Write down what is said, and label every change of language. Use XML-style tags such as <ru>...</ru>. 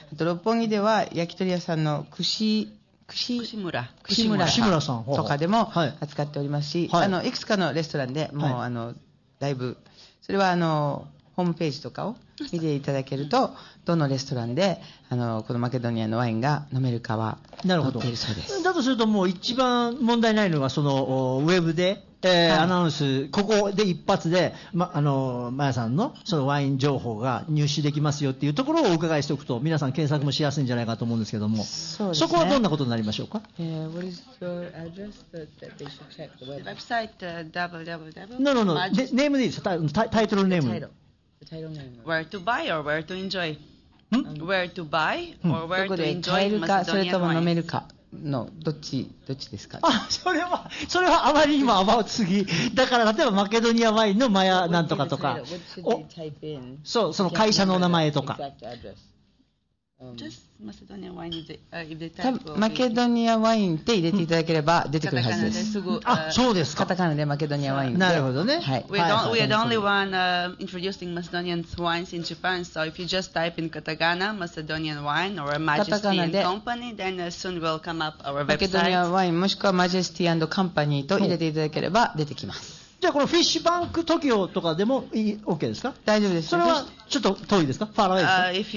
<ja>あと六本木では焼き鳥屋さんの串村さんとかでも扱っておりますし、はい、あのいくつかのレストランでもう、はい、あのだいぶそれはあのホームページとかを見ていただけると、どのレストランであのこのマケドニアのワインが飲めるかは載っているそうです。だとするともう一番問題ないのがそのウェブで、はい、アナウンスここで一発で、ま、あのマヤさん の, そのワイン情報が入手できますよっていうところをお伺いしておくと皆さん検索もしやすいんじゃないかと思うんですけども、ね、そこはどんなことになりましょうか。</ja> <en>What is your address that they should check the web? Website www. No, no, no.</en> <ja>ネームでいいですよ、タイトルネーム、</ja> <en>Where to buy or where to enjoy? Where to buy or where to enjoy?</en> <ja>どこで買えるかそれとも飲めるかのどっちですか。あ、それはあまりにもアバウトすぎだから、例えばマケドニアワインのマヤなんとかとか、お、そう、その会社の名前とか。多分マケドニアワインって入れていただければ出てくるはずです。あ、そうですか。カタカナでマケドニアワイン。なるほどね。はい。</ja> <en>We are the only one introducing Macedonian wines in Japan. So if you just type in katakana Macedonian wine or Majesty and Company, then soon will come up our website.</en> <ja>マケドニアワインもしくは Majesty and Company と入れていただければ出てきます。じゃあこのフィッシュバンク東京とかでも OK ですか。大丈夫です。それはちょっと遠いですか、ファーウェイですか。</ja>